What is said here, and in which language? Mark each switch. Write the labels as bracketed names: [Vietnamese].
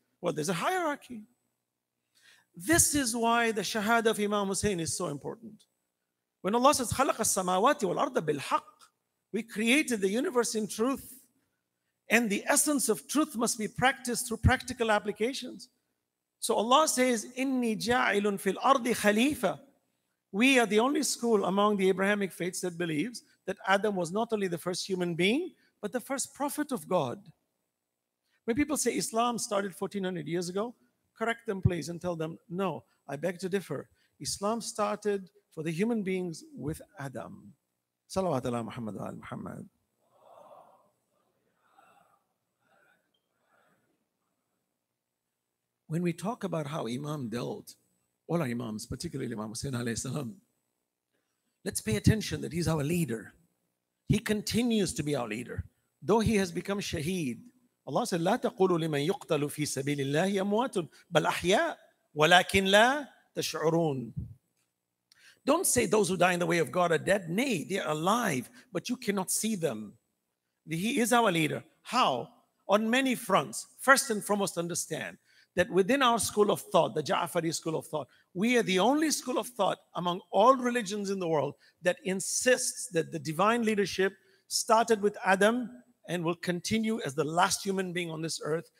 [English] Well, there's a hierarchy. This is why the shahada of Imam Hussein is so important. When Allah says, [Arabic] خلق السماوات والأرض بالحق, [English] we created the universe in truth, and the essence of truth must be practiced through practical applications. So Allah says, [Arabic] إِنِّي جَاعِلٌ فِي الْأَرْضِ خَلِيفَةً. [English] We are the only school among the Abrahamic faiths that believes that Adam was not only the first human being, but the first prophet of God. When people say Islam started 1400 years ago, correct them please and tell them, no, I beg to differ. Islam started for the human beings with Adam. [Arabic] Salawat ala Muhammad wa ala Muhammad. [English] When we talk about how Imam dealt, all our imams, particularly Imam Hussein alayhi salam, let's pay attention that he's our leader. He continues to be our leader. Though he has become shaheed, Allah said, [Arabic] لَا تَقُولُ لِمَنْ يُقْتَلُ فِي سَبِيلِ اللَّهِ أَمْوَاتٌ بَلْ أَحْيَاء وَلَكِنْ لَا تَشْعُرُونَ. [English] Don't say those who die in the way of God are dead. Nay, they are alive, but you cannot see them. He is our leader. How? On many fronts. First and foremost, understand that within our school of thought, the Ja'afari school of thought, we are the only school of thought among all religions in the world that insists that the divine leadership started with Adam and will continue as the last human being on this earth.